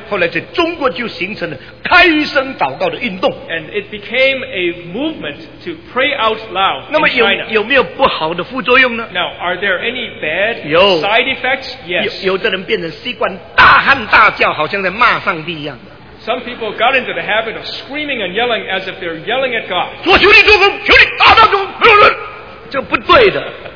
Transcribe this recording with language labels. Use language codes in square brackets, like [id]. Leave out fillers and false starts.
[en] And it became a movement to pray out loud in China. [zh] 那么有没有不好的副作用呢? [en] Now, are there any bad [zh] 有, [en] side effects? Yes. [zh] 有的人变成习惯大喊大叫好像在骂上帝一样。 [en] Some people got into the habit of screaming and yelling as if they're yelling at God. [zh] 说求你做工,求你打打工,这不对的。